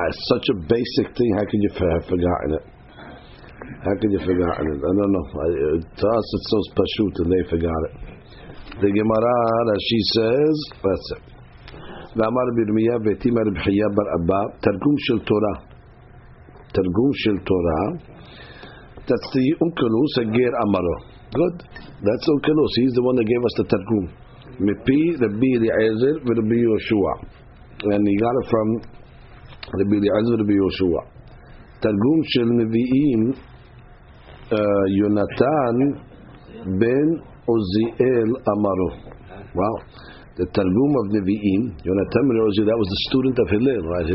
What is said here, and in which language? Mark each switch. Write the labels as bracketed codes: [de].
[en] Such a basic thing, how could you have forgotten it? I don't know. To us, it's so pashut, and they forgot it. The Gemara, as she says, that's it. [he] ואמר ברמיה ותימא רבחיה בר אבא, תרגום של תורה. תרגום של תורה. תצטי אונקלוס הגר אמרו. [en] Good. That's [he] אונקלוס. [en] He's the one that gave us the תרגום. [he] מפי רבי אליעזר ורבי יהושע. [en] And he got it from [he] רבי אליעזר ורבי יהושע. תרגום של נביאים, יונתן בן עוזיאל אמרו. [en] Wow. The Targum of Nevi'im, Yonatan ben Uzziel, that was the student of Hillel, right?